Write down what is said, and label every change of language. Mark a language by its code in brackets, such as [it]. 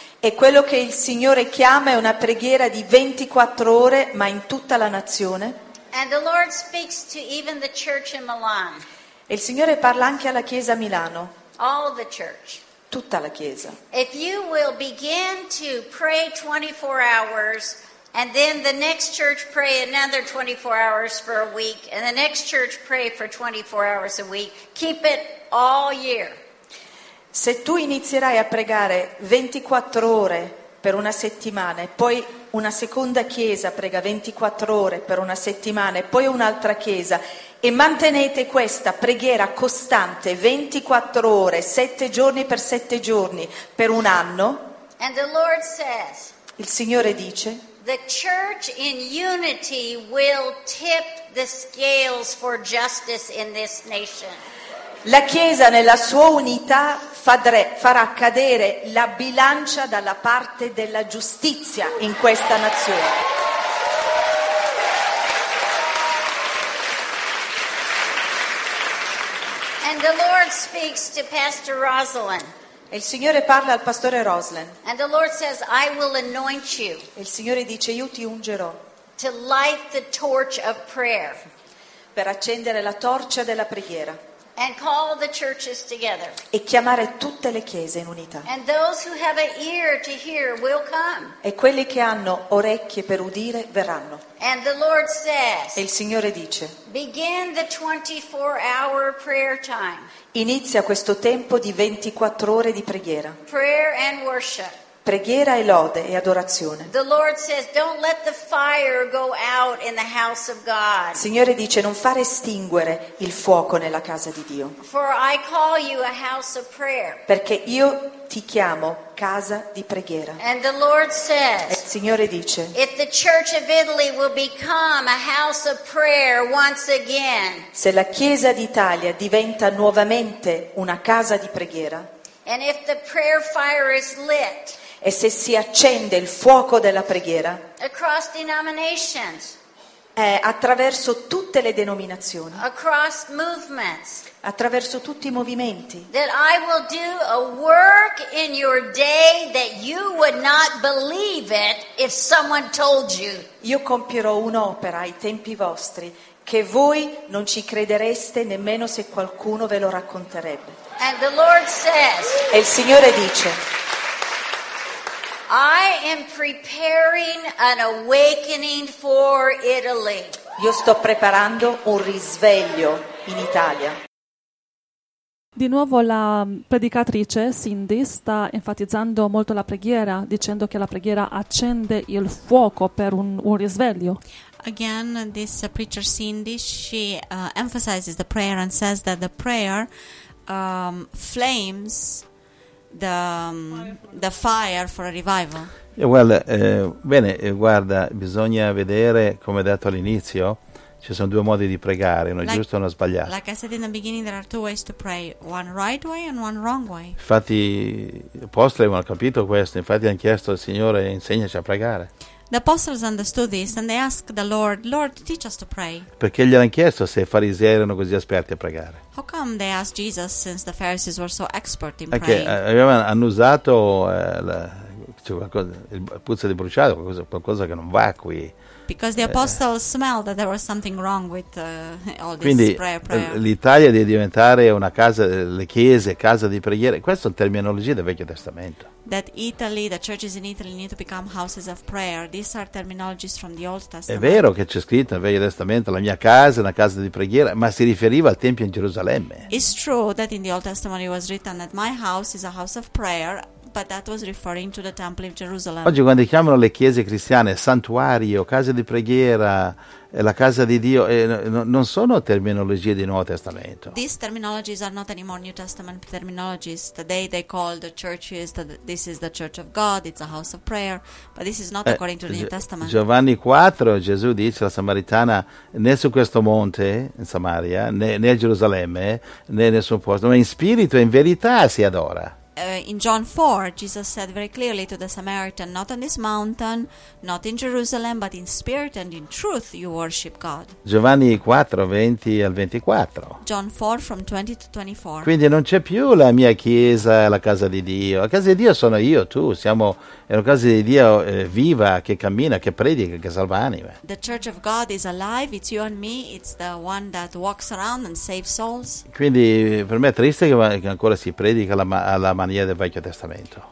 [it] E quello che il Signore chiama è una preghiera di 24 ore, ma in tutta la nazione. [en] And the Lord speaks to even the church in Milan. [it] E il Signore parla anche alla Chiesa a Milano. [en] All the church. [it] Tutta la Chiesa. [en] If you will begin to pray 24 hours, and then the next church pray another 24 hours for a week, and the next church pray for 24 hours a week, keep it all year. [it] Se tu inizierai a pregare 24 ore per una settimana, e poi una seconda chiesa prega 24 ore per una settimana, e poi un'altra chiesa, e mantenete questa preghiera costante 24 ore, 7 giorni per 7 giorni, per un anno. [en] And the Lord says, [it] il Signore dice, [en] the church in unity will tip the scales for justice in this nation. [it] La Chiesa nella sua unità farà cadere la bilancia dalla parte della giustizia in questa nazione. [en] The Lord speaks to Pastor Rosalind. [it] Il Signore parla al pastore Roslin. [en] And the Lord says, I will anoint you. [it] Il Signore dice, io ti ungerò. [en] To light the torch of prayer. [it] Per accendere la torcia della preghiera. [en] And call the churches together. [it] E chiamare tutte le chiese in unità. [en] And those who have an ear to hear will come. [it] E quelli che hanno orecchie per udire verranno. [en] And the Lord says, [it] e il Signore dice, [en] begin the 24-hour prayer time. [it] Inizia questo tempo di 24 ore di preghiera. [en] Prayer and worship. [it] Preghiera e lode e adorazione. [en] The Lord says, don't let the fire go out in the house of God. [it] Signore dice, non fare estinguere il fuoco nella casa di Dio. [en] For I call you a house of prayer. [it] Perché io ti chiamo casa di preghiera. [en] And the Lord says, [it] e il Signore dice, [en] if the church of Italy will become a house of prayer once again. [it] Se la Chiesa d'Italia diventa nuovamente una casa di preghiera. [en] And if the prayer fire is lit. [it] E se si accende il fuoco della preghiera [en] across denominations, [it] attraverso tutte le denominazioni, [en] across movements, [it] attraverso tutti i movimenti, [en] that I will do a work in your day that you would not believe it if someone told you. [it] Io compierò un'opera ai tempi vostri che voi non ci credereste nemmeno se qualcuno ve lo racconterebbe. [en] And the Lord says, [it] e il Signore dice, [en] I am preparing an awakening for Italy. [it] Io sto preparando un risveglio in Italia. Di nuovo la predicatrice Cindy sta enfatizzando molto la preghiera, dicendo che la preghiera accende il fuoco per un risveglio. [en] Again, this preacher Cindy, she emphasizes the prayer and says that the prayer flames the fire for a revival. [it] Guarda, bisogna vedere, come detto all'inizio, ci sono due modi di pregare, uno giusto e uno sbagliato. [en] Like I said in the beginning, there are two ways to pray, one right way and one wrong way. [it] Infatti, apostoli hanno capito questo, infatti hanno chiesto al Signore, insegnaci a pregare. [en] The apostles understood this and they asked the Lord, Lord, teach us to pray. [it] Perché gli hanno chiesto se i farisei erano così esperti a pregare? [en] How come they asked Jesus since the Pharisees were so expert in praying? [it] Perché hanno usato il puzzo di bruciato, qualcosa che non va qui. [en] Because the apostles smelled that there was something wrong with all this [it] quindi, [en] prayer. [it] L'Italia deve diventare una casa, le chiese, casa di preghiera. Questa è la terminologia del Vecchio Testamento. [en] That Italy, the churches in Italy need to become houses of prayer. These are terminologies from the Old Testament. [it] È vero che c'è scritto nel Vecchio Testamento la mia casa è una casa di preghiera, ma si riferiva al Tempio in Gerusalemme. [en] It's true that in the Old Testament it was written that my house is a house of prayer, but that was referring to the temple of Jerusalem. [it] Oggi quando chiamano le chiese cristiane santuario, casa di preghiera, la casa di Dio, non sono terminologie di Nuovo Testamento. [en] These terminologies are not anymore New Testament terminologies. Today they call the churches that this is the church of God, it's a house of prayer, but this is not according to the New Testament. [it] Giovanni 4, Gesù dice alla Samaritana, né su questo monte, in Samaria, né a Gerusalemme, né in nessun posto, ma in spirito e in verità si adora. [en] In John 4, Jesus said very clearly to the Samaritan, not on this mountain, not in Jerusalem, but in spirit and in truth you worship God. [it] Giovanni 4, 20 al 24. [en] John 4, from 20 to 24. [it] Quindi non c'è più la mia chiesa, la casa di Dio. La casa di Dio sono io, tu, siamo... È una casa di Dio viva, che cammina, che predica, che salva anime. [en] The church of God is alive, it's you and me, it's the one that walks around and saves souls. [it] Quindi per me è triste che ancora si predica alla maniera del Vecchio Testamento.